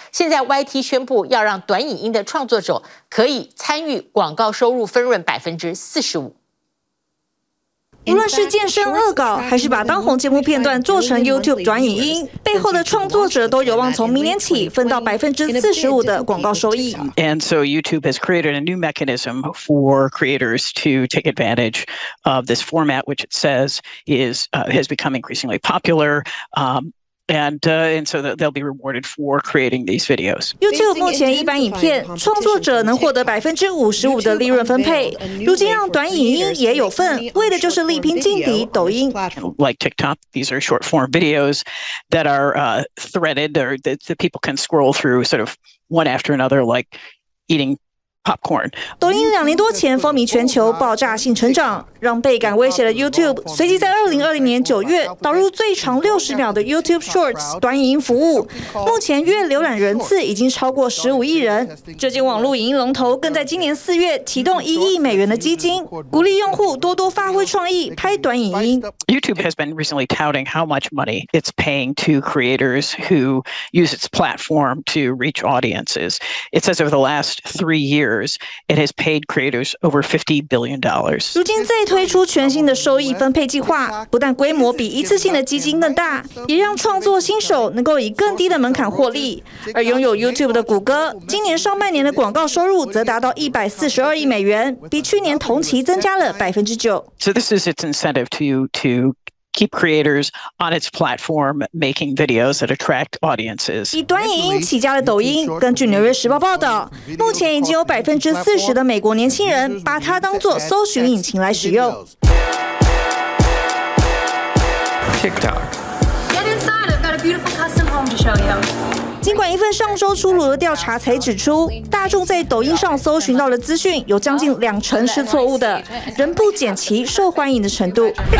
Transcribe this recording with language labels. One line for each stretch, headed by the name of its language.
Chinese: 现在 YT 宣布要让短影音的创作者可以参与广告收入分润45%。无论是健身恶搞，还是把当红节目片段做成 YouTube 短影音，背后的创作者都有望从明年起分到45%的广告收益。
English: And so YouTube has created a new mechanism for creators to take advantage of this format, which it says is has become increasingly popular. And so they'll be rewarded for creating these videos.
Chinese: YouTube 目前一般影片创作者能获得55%的利润分配，如今让短影音也有份，为的就是力拼劲敌抖音。
English: Like TikTok, these are short form videos that are threaded or that the people can scroll through sort of one after another, like eating. Popcorn.
Chinese: 抖音两年多前风靡全球，爆炸性成长，让倍感威胁的 YouTube 随即在2020年9月导入最长60秒的 YouTube Shorts 短影音服务。目前月浏览人次已经超过15亿人。这间网络影音龙头更在今年4月启动1亿美元的基金，鼓励用户多多发挥创意拍短影音。
English: YouTube has been recently touting how much money it's paying to creators who use its platform to reach audiences. It says over the last 3 years, it has paid creators over $50 billion.
Chinese: 如今再推出全新的收益分配计划，不但规模比一次性的基金更大，也让创作新手能够以更低的门槛获利。而拥有 YouTube 的谷歌，今年上半年的广告收入则达到142亿美元，比去年同期增加了9%。
English: So this is its incentive to keep creators on its platform making videos that attract audiences.
Chinese: 以短影音起家的抖音，根据《纽约时报》报道，目前已经有40%的美国年轻人把它当作搜寻引擎来使用。
English: TikTok. Get inside. I've got a beautiful custom home to show you.
Chinese: 尽管一份上周出炉的调查才指出，大众在抖音上搜寻到的资讯有将近20%是错误的，仍不减其受欢迎的程度。